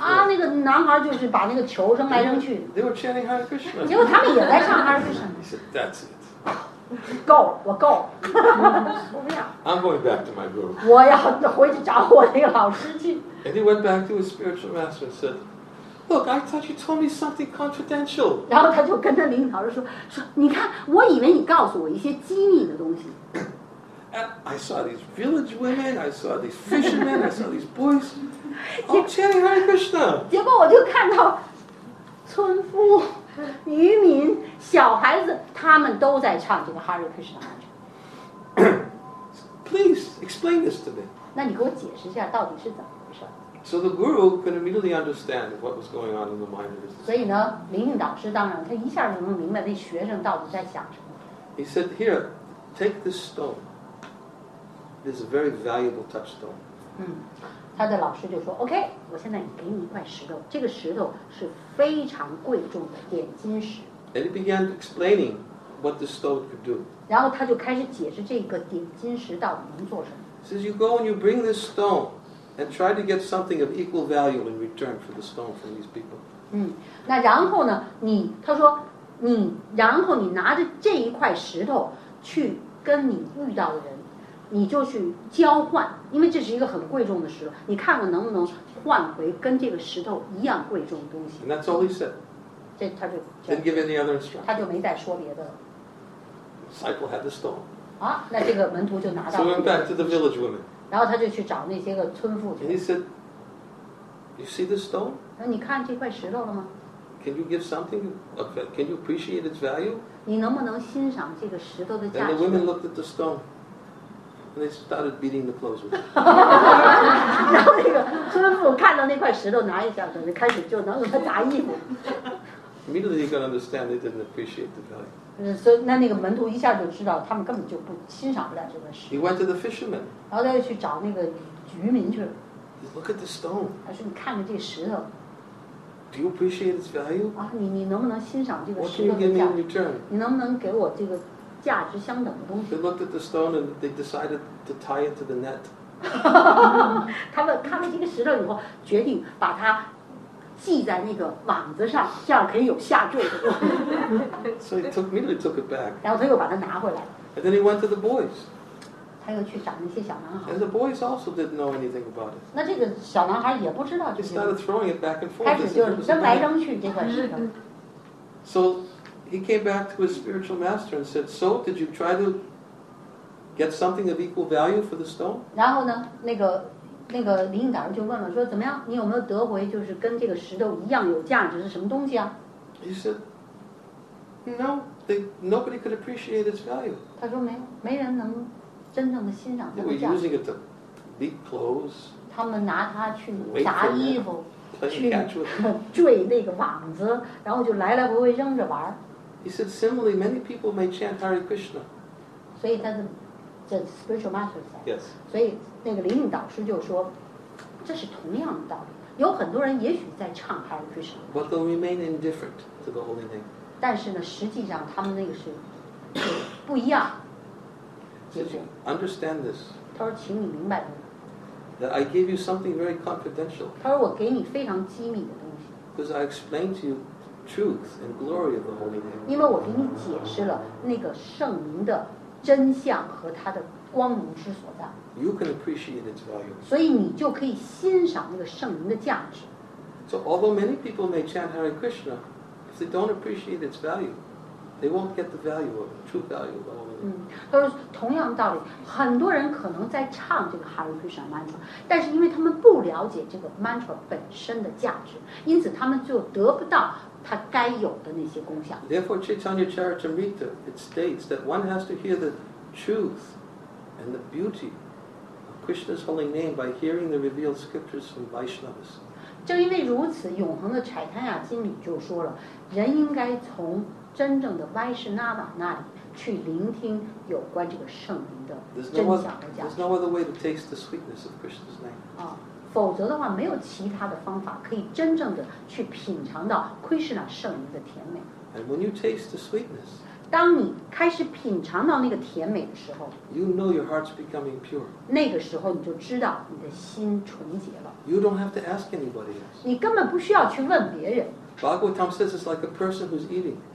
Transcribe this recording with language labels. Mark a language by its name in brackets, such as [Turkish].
[Chinese] 啊，那个男孩就是把那个球扔来扔去。 [English] They were chanting Hare Krishna. [Chinese] 结果他们也在唱 Hare Krishna. [English] He said, "That's it." [Chinese] 够，我够。我不要。 [English] I'm going back to my guru. [Chinese] 我要回去找我那个老师去。 [English] And he went back to his spiritual master and said, "Look, I thought you told me something confidential." [Chinese] 然后他就跟他领导说，你看，我以为你告诉我一些机密的东西。 [English] I saw these village women, I saw these fishermen, I saw these boys. I'm chanting Hare Krishna. [Chinese] 结果我就看到村夫、渔民、小孩子，他们都在唱这个 Hare Krishna. [English] Please explain this to me. [Chinese] 那你给我解释一下到底是怎么回事？ [English] So the guru could immediately understand what was going on in the mind of his student. [Chinese] 所以呢，灵性导师当然他一下就能明白那学生到底在想什么。 [English] He said, "Here, take this stone." This is a very valuable touchstone. [Chinese] 他的老师就说 ，OK， 我现在给你一块石头，这个石头是非常贵重的点金石。 [English] And he began explaining what the stone could do. [Chinese] 然后他就开始解释这个点金石到底能做什么。 [English] Since you go and you bring this stone and try to get something of equal value in return for the stone from these people. [Chinese] 那然后呢？他说你，然后你拿着这一块石头去跟你遇到的人。你就去交换，因为这是一个很贵重的石头，你看看能不能换回跟这个石头一样贵重的东西。 [English] And that's all he said. [Chinese] 这他就 [English] didn't give any other instruction. [Chinese] 他就没再说别的了。 [English] Disciple had the stone. [Chinese] 啊，那这个门徒就拿到。 [English] So he went back to the village women. [Chinese] 然后他就去找那些个村妇去。 [English] And he said, "You see this stone?" [Chinese] 那你看这块石头了吗？ [English] Can you give something? Can you appreciate its value? [Chinese] 你能不能欣赏这个石头的价值 [English] ？And the women looked at the stone. And they started beating the clothes with it. [Chinese] 然后那个村妇看到那块石头，拿一下，准备开始就能给他砸衣服。 [English] Immediately, you can understand they didn't appreciate the value. [Chinese] 所以那个门徒一下就知道，他们根本就不欣赏不了这块石头。 [English] He went to the fishermen. [Chinese] 然后他又去找那个渔民去了。 [English] Look at the stone. [Chinese] 他说：“你看看这石头。 [English] Do you appreciate its value? [Chinese] 啊，你能不能欣赏这个石头 [English] ？What can you give me in return? [Chinese] 你能不能给我这个？” 价值相等的东西。 [English] They looked at the stone and they decided to tie it to the net. [Chinese] 他们看了这个石头以后，决定把它系在那个网子上，这样可以有下坠的。 [English] So he immediately took it back. [Chinese] 然后他又把它拿回来。 [English] And then he went to the boys. [Chinese] 他又去找那些小男孩。 [English] And the boys also didn't know anything about it. [Chinese] 那这个小男孩也不知道这个。 [English] He started throwing it back and forth. [Chinese] 开始就扔来扔去这块石头。 [English] So. He came back to his spiritual master and said, "So, did you try to get something of equal value for the stone?" [Chinese] 然后呢，那个灵导就问了，说怎么样？你有没有得回就是跟这个石头一样有价值是什么东西啊 [English] ？He said, "No, nobody could appreciate its value." [Chinese] 他说没人能真正的欣赏它的价值。 [English] They were using it to beat clothes. [Chinese] 他们拿它去砸衣服， [English] that, [Chinese] 去坠那个网子，然后就来来回回扔着玩。 [English] He said, "Similarly, many people may chant Hare Krishna." So the spiritual master said. Yes. So the [Chinese] 灵性导师就说，这是同样的道理。有很多人也许在唱 Hare Krishna. [English] But they'll remain indifferent to the holy name. [Chinese] 但是呢，实际上他们那个是不一样。 [English] Understand this. [Chinese] 他说，请你明白的。 [English] That I gave you something very confidential. [Chinese] 他说，我给你非常机密的东西。 [English] Because I explained to you. Truth and glory of the holy name. [Chinese] 因为我给你解释了那个圣名的真相和它的光明之所在。 [English] You can appreciate its value. [Chinese] 所以你就可以欣赏那个圣名的价值。 [English] So although many people may chant Hare Krishna, if they don't appreciate its value, they won't get the value of it, true value of the holy name. [Chinese] 他说同样道理，很多人可能在唱这个 Hare Krishna mantra， 但是因为他们不了解这个 mantra 本身的价值，因此他们就得不到。他该有的那些功效。 [English] Therefore, Chaitanya Charitamrita it states that one has to hear the truth and the beauty of Krishna's holy name by hearing the revealed scriptures from Vaishnavas. [Chinese] 正因为如此，永恒的柴坦亚经里就说了，人应该从真正的 Vaishnava 那里去聆听有关这个圣灵的真相和价值。 [English] There's no other way to taste [Chinese] the 否则的话没有其他的方法可以真正的去品尝到 Krishna 圣灵的甜美。 [English] And when you taste the sweetness, [Chinese] 当你开始品尝到那个甜美的时候 [English] you know your heart's becoming pure. [Chinese] 那个时候你就知道你的心纯洁了。 [English] You don't have to ask anybody else. [Chinese] 你根本不需要去问别人。 [English] Bhagavatam says it's like a person who's eating.